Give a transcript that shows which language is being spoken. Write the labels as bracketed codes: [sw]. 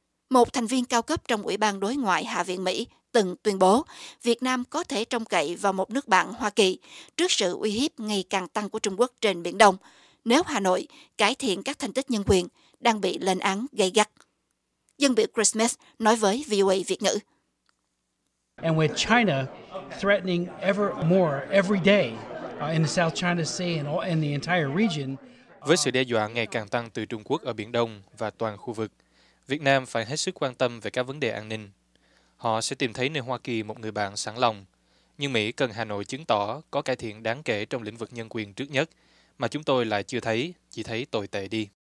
[vi] Một thành viên cao cấp trong Ủy ban Đối ngoại Hạ viện Mỹ từng tuyên bố Việt Nam có thể trông cậy vào một nước bạn Hoa Kỳ trước sự uy hiếp ngày càng tăng của Trung Quốc trên Biển Đông nếu Hà Nội cải thiện các thành tích nhân quyền đang bị lên án gay gắt. Dân biểu Chris Smith nói với VOA Việt ngữ. [en] And with China threatening ever more every day in the South China Sea and in the entire region. [vi] Với sự đe dọa ngày càng tăng từ Trung Quốc ở Biển Đông và toàn khu vực, Việt Nam phải hết sức quan tâm về các vấn đề an ninh. Họ sẽ tìm thấy nơi Hoa Kỳ một người bạn sẵn lòng. Nhưng Mỹ cần Hà Nội chứng tỏ có cải thiện đáng kể trong lĩnh vực nhân quyền trước nhất, mà chúng tôi lại chưa thấy, chỉ thấy tồi tệ đi.